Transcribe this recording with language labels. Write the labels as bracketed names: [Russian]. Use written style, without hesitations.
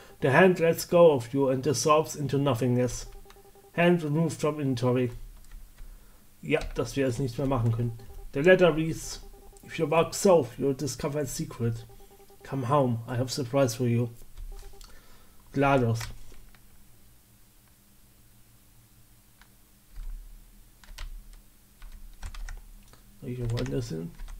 [English] The hand lets go of you and dissolves into nothingness. Hand removed from inventory. [German] Ja, dass wir es nicht mehr machen können. [English] The letter reads, if you walk south, you'll discover a secret. Come home, I have a surprise for you. GLaDOS. [German] Ich wollte das hin.